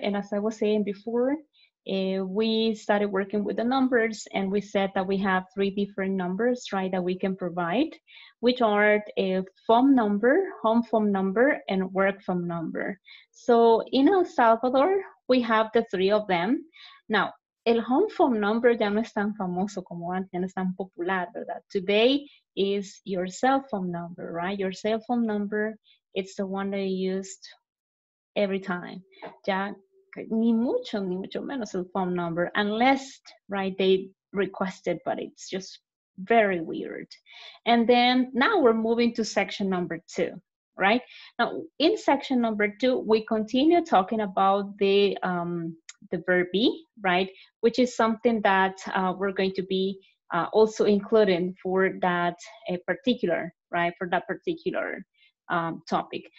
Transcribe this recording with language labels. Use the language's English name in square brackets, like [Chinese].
[English] And as I was saying before, we started working with the numbers and we said that we have three different numbers, right, that we can provide, which are a phone number, home phone number, and work phone number. So in El Salvador, we have the three of them. [Spanish] Now, el [English] home phone number [Spanish] ya no es tan famoso como antes, ya no es tan popular, ¿verdad? [English] Today is your cell phone number, right? Your cell phone number, it's the one that you used every time. [Spanish] Ya ni mucho menos el [English] phone number, unless, right, they request it, but it's just very weird. And then now we're moving to section number two. Right now, in section number two, we continue talking about the verb be, right, which is something that we're going to be also including for that particular, right, for that particular topic.